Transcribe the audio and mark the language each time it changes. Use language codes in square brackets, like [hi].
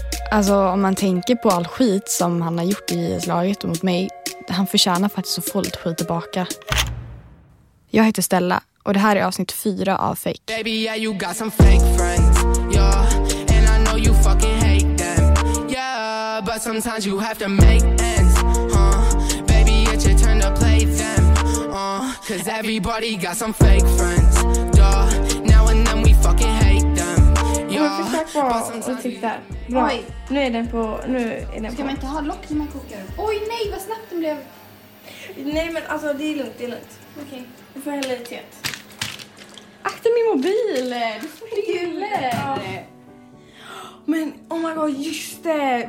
[sv] Alltså, om man tänker på all skit som han har gjort i IS-laget mot mig, han förtjänar faktiskt att få lite skit tillbaka. Jag heter Stella och det här är avsnitt 4 av Fake. [en] Baby, yeah, you got some fake friends, yeah. And I know you fucking hate them, yeah. But sometimes you have to make ends, Baby, it's your turn to play them, 'Cause everybody got some fake friends, yeah. Now and then we fucking hate them, yeah. [sv] Bra. Oj, nu är den på. Nu är den ska på. Man inte ha lock när man kokar? Oj nej, vad snabbt den blev. Nej men alltså det är lugnt, det är lugnt. Okej. Okay. Du får hälla i teet. Akta min mobil. Du får hälla. Men [en] oh my god, [sv] just det.